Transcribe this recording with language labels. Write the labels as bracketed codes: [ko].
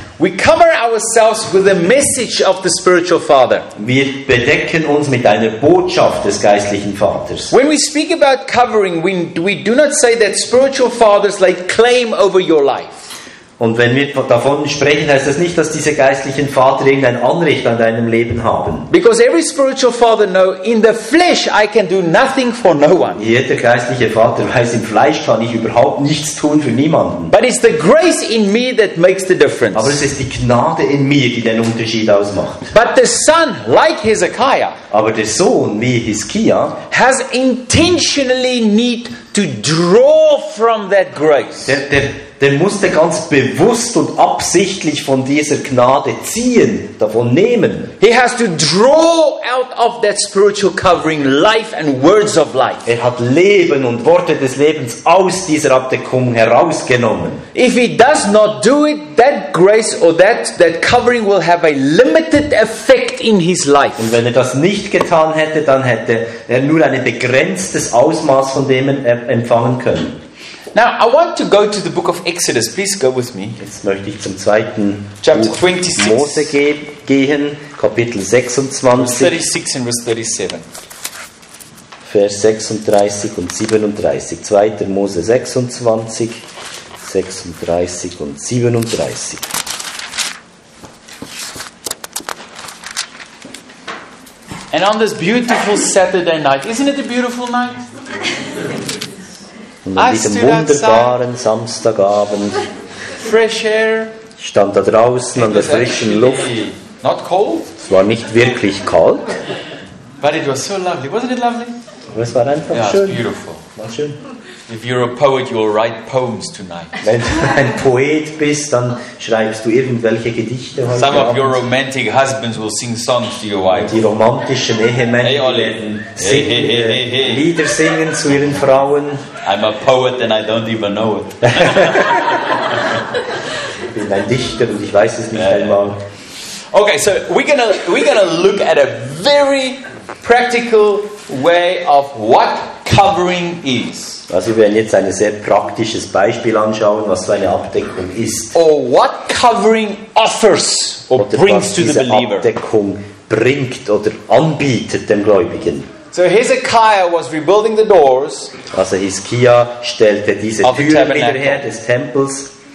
[en] We cover ourselves with the message of the spiritual father. [de] Wir bedecken uns mit einer Botschaft des geistlichen Vaters. [en] When we speak about covering, we do not say that spiritual fathers lay claim over your life. [de] Und wenn wir davon sprechen, heißt das nicht, dass diese geistlichen Väter irgendein Anrecht an deinem Leben haben. [en] Because every spiritual father knows, in the flesh I can do nothing for no one. [de] Jeder geistliche Vater weiß, im Fleisch kann ich überhaupt nichts tun für niemanden. [en] But it's the grace in me that makes the difference. [de] Aber es ist die Gnade in mir, die den Unterschied ausmacht. [en] But the son, like Hezekiah, [de] aber der Sohn, wie Hiskia, [en] has intentionally need to draw from that grace. [de] Der musste ganz bewusst und absichtlich von dieser Gnade ziehen, davon nehmen. [en] He has to draw out of that spiritual covering life and words of life. [de] Er hat Leben und Worte des Lebens aus dieser Abdeckung herausgenommen. [en] If he does not do it, that grace or that covering will have a limited effect in his life. [de] Und wenn er das nicht getan hätte, dann hätte er nur ein begrenztes Ausmaß von dem empfangen können. [en] Now I want to go to the book of Exodus. Please go with me. [de] Jetzt möchte ich zum zweiten Chapter 26. Buch Mose gehen, Kapitel 26, [en] verse 36 and verse 37. [de] Vers 36 und 37. 2. Mose 26, 36 und 37. [en] And on this beautiful Saturday night, isn't it a beautiful night? [de] Und an diesem wunderbaren Samstagabend [en] fresh air, [de] stand da draußen an der frischen Luft. [en] Not cold. [de] Es war nicht wirklich kalt. [en] But it was so lovely. Wasn't it lovely? [de] Aber es war einfach schön. [en] Yeah, beautiful. [de] War schön. [en] If you're a poet, you'll write poems tonight. [de] Wenn du ein Poet bist, dann schreibst du irgendwelche Gedichte heute [en] Some [de] Abend. [en] Of your romantic husbands will sing songs to your wife. [de] Die romantischen Ehemänner hey, werden hey. Lieder singen zu ihren Frauen. [en] I'm a poet and I don't even know it. [de] Ich bin ein Dichter und ich weiß es nicht einmal. [en] Okay, so we're gonna look at a very practical way of what covering is. [de] Also wir werden jetzt ein sehr praktisches Beispiel anschauen, was so eine Abdeckung ist. [en] Or what covering offers or [de] oder [en] brings [de] was diese [en] to the believer. [de] Abdeckung bringt oder anbietet dem Gläubigen. [en] So Hezekiah was rebuilding the doors. [de] Also Hiskia stellte diese Türen wieder her des Tempels.